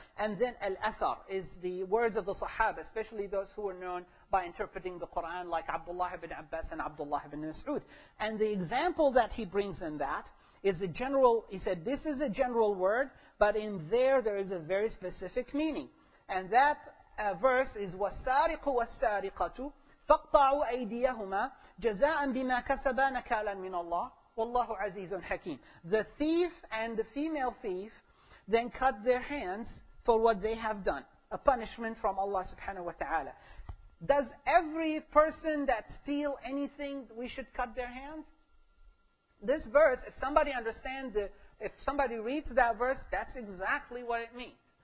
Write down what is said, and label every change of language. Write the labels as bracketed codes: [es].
[en] And then al-athar is the words of the Sahaba, especially those who were known by interpreting the Qur'an, like Abdullah ibn Abbas and Abdullah ibn Mas'ud. And the example that he brings in that is a general, he said, this is a general word, but in there is a very specific meaning. And that verse is [ar] وَالسَّارِقُ وَالسَّارِقَةُ فَاقْطَعُوا أَيْدِيَهُمَا جَزَاءً بِمَا كَسَبَا نَكَالًا مِنَ اللَّهِ وَاللَّهُ عَزِيزٌ حَكِيمٌ. [en] The thief and the female thief then cut their hands for what they have done, a punishment from Allah subhanahu wa ta'ala. Does every person that steal anything, we should cut their hands? This verse, if somebody understands, if somebody reads that verse, that's exactly what it means.